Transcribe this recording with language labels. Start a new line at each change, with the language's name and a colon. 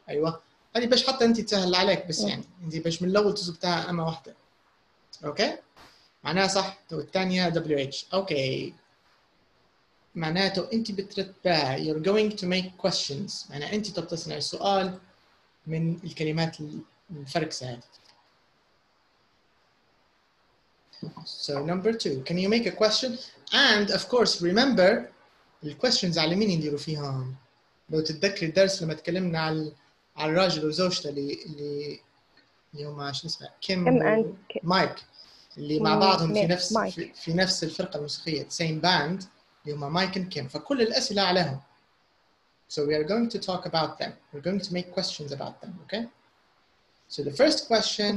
Arabic: أيوة هذه باش حتى أنت تسهل عليك بس yeah. يعني أنت باش من الأول تزبطها أما واحدة أوكي معناها صح الثانية WH أوكي معناته أنت بترتبها
English: you're going to make questions
Arabic: معناها أنت تبتصنع السؤال من الكلمات الفرق سهل.
English: So number two, can you make a question? And of course, remember the questions
Arabic: على مين يديروا فيهم؟ لو تتذكر الدرس لما تكلمنا على الراجل وزوجته اللي هم شو اسمه؟ كيم مايك اللي مع بعضهم في نفس الفرقه الموسيقيه
English: the same band
Arabic: اللي هم مايك اند كيم فكل الاسئله عليهم.
English: So we are going to talk about them. We're going to make questions about them, okay? So the first question,